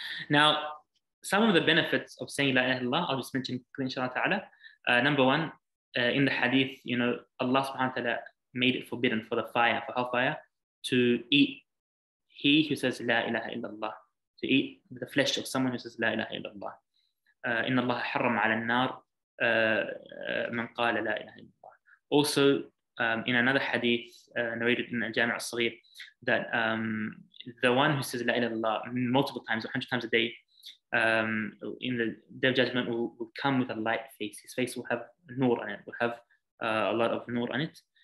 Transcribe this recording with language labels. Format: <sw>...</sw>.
<en>Now, some of the benefits of saying</en> <ar>لا إله إلا الله,</ar> <en>I'll just mention quickly, inshallah ta'ala. Number one, in the hadith, Allah subhanahu wa ta'ala made it forbidden for the fire, for hellfire, to eat he who says</en> <ar>لا إله إلا الله,</ar> <en>to eat the flesh of someone who says لا إله إلا الله.</en> <ar>إن الله حرم على النار من قال لا إله إلا الله.</ar> <en>Also, in another hadith narrated in Jami' al-Saghir, that the one who says La ilaha illallah multiple times, 100 times a day, in the Day of Judgment, will come with a light face. His face will have nur on it, will have a lot of nur on it.</en>